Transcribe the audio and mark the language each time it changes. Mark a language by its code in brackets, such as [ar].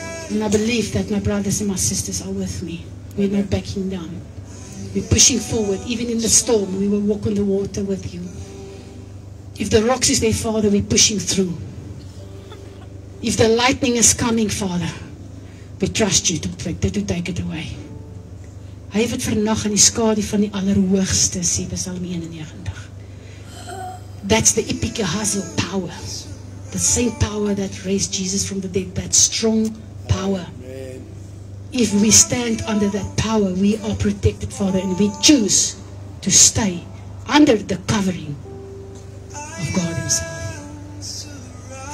[en] And I believe that my brothers and my sisters are with me. We're not backing down. We're pushing forward. Even in the storm, we will walk on the water with you. If the rocks is there, Father, we're pushing through. If the lightning is coming, Father, we trust you to take it away. [af] Hy het vernag in die skadu van die allerhoogste, sê Psalm 91. [en] That's the epikahazel power. The same power that raised Jesus from the dead. That strong power. Amen. If we stand under that power, we are protected, Father, and we choose to stay under the covering of God Himself.